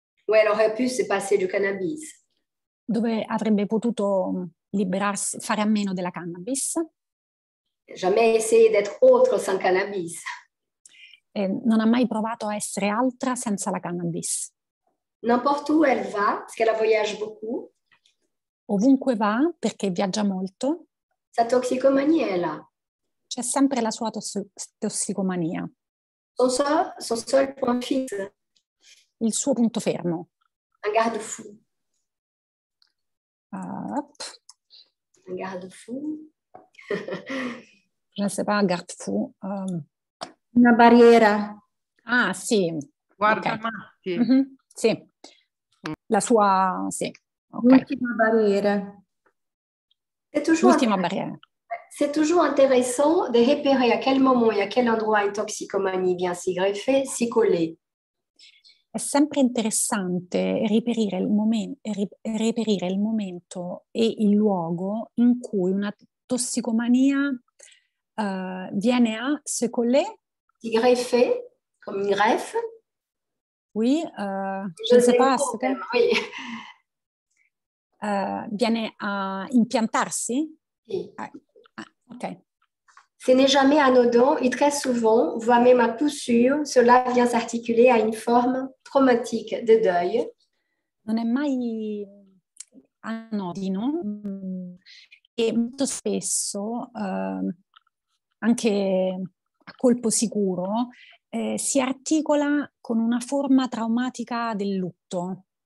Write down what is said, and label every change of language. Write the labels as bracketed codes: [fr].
[fr] Où elle aurait pu se passer du cannabis. [it] Dove avrebbe potuto liberarsi, fare a meno della cannabis. [fr] Jamais essayé d'être autre sans cannabis. [it] Non ha mai provato a essere altra senza la cannabis. [fr] N'importe où elle va, parce qu'elle voyage beaucoup. [it] Ovunque va, perché viaggia molto. [fr] Sa toxicomanie est là. [it] C'è sempre la sua tossicomania. [fr] Son seul point fixe. [it] Il suo punto fermo. [fr] Un garde-fou. Un garde-fou. Je ne sais pas, garde-fou. [it] Una barriera. Ah, sì. Guarda, okay. Matti. Mm-hmm. Sì. La sua, sì. Okay. L'ultima barriera. L'ultima barriera. [fr] C'est toujours intéressant de repérer à quel moment et à quel endroit une toxicomanie vient s'y greffer, s'y coller. [it] È sempre interessante reperire il momento e il luogo in cui una tossicomania viene a secolle. Di greffe, come in greffe. [fr] Oui, je ne sais pas. Oui. [it] Viene a impiantarsi? Sì. Ok. [fr] Ce n'est jamais anodin et très souvent, voire même à coup sûr, cela vient s'articuler à une forme traumatique de deuil. [it] Non è mai anodino e molto spesso, anche a colpo sicuro, si articola con una forma traumatica del lutto.